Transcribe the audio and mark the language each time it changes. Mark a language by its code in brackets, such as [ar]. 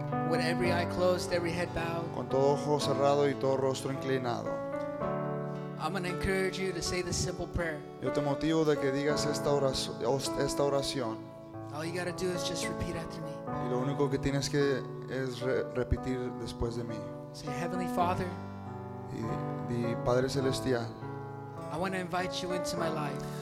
[en] With every eye closed, every head bowed. [es] Con todo ojo cerrado y todo rostro inclinado. [en] I'm going to encourage you to say this simple prayer. [es] Yo te motivo de que digas esta oración. [en] All you got to do is just repeat after me. [es] Y lo único que tienes que es repetir después de mí. [en] Say, Heavenly Father. [es] Y Padre Celestial. [en] I want to invite you into my life.